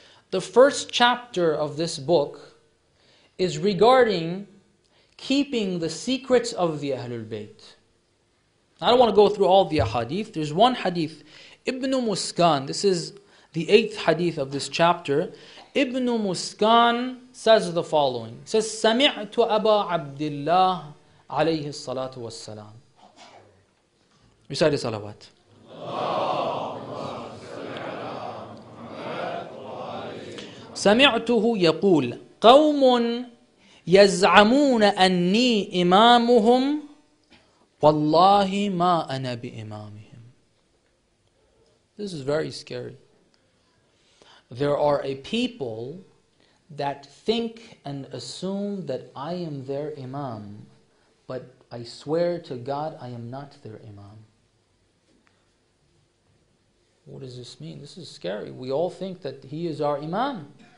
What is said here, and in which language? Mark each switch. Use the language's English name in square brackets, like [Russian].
[English] The first chapter of this book is regarding keeping the secrets of the Ahlul Bayt. I don't want to go through all the ahadith. There's one hadith, Ibn Muskan, this is the eighth hadith of this chapter. Ibn Muskan says the following. He says, [Arabic] سَمِعْتُ أَبَا عَبْدِ اللَّهِ عَلَيْهِ الصَّلَاةُ وَالسَّلَامُ. [English] Recite the salawat. [Arabic] سمعته يقول قوم يزعمون أني إمامهم والله ما أنا بإمامهم. [English] This is very scary. There are a people that think and assume that I am their imam, but I swear to God I am not their imam. What does this mean? This is scary. We all think that he is our imam.